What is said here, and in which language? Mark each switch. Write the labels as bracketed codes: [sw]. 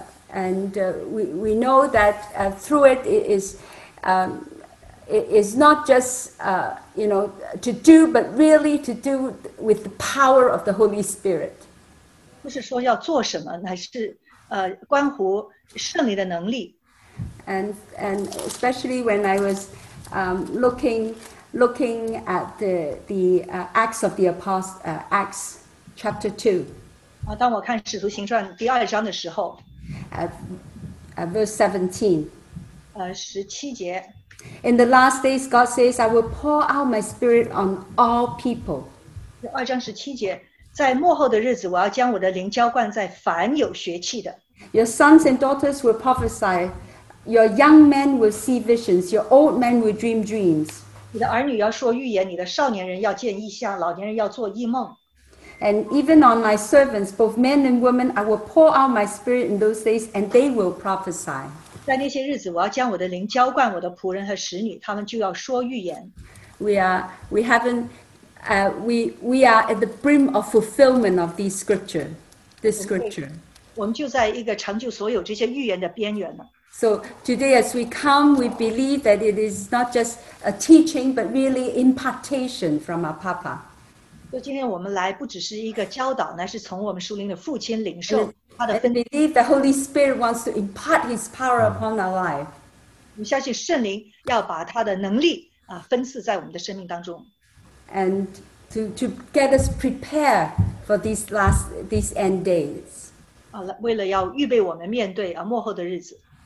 [en] And we know that through it, it is not just to do, but really to do with the power of the Holy Spirit. [zh] 不是说要做什么，乃是关乎圣灵的能力。 [en] And especially when I was looking at the Acts of the Apostles, Acts chapter 2, [zh] 当我看《使徒行传》第二章的时候， [en] verse 17. [zh] 17节， [en] In the last days, God says, I will pour out my spirit on all people. [zh] 2章17节，在末后的日子，我要将我的灵浇灌在凡有血气的。 [en] Your sons and daughters will prophesy. Your young men will see visions, your old men will dream dreams. [zh] 你的儿女要说预言，你的少年人要见异象，老年人要做异梦。 [en] And even on my servants, both men and women, I will pour out my spirit in those days, and they will prophesy. [zh] 在那些日子，我要将我的灵浇灌我的仆人和使女，他们就要说预言。 [en] We are at the brim of fulfillment of this scripture. This scripture. [zh] 我们就在一个成就所有这些预言的边缘了。 [en] So today, as we come, we believe that it is not just a teaching, but really impartation from our Papa. [zh] 就今天我们来，不只是一个教导，乃是从我们属灵的父亲领受 [en] And [zh] 他的分。 [en] believe the Holy Spirit wants to impart His power upon our life. [zh] 我们相信圣灵要把他的能力分赐在我们的生命当中。 [en] And to get us prepared for these end days. [zh] 为了要预备我们面对末后的日子。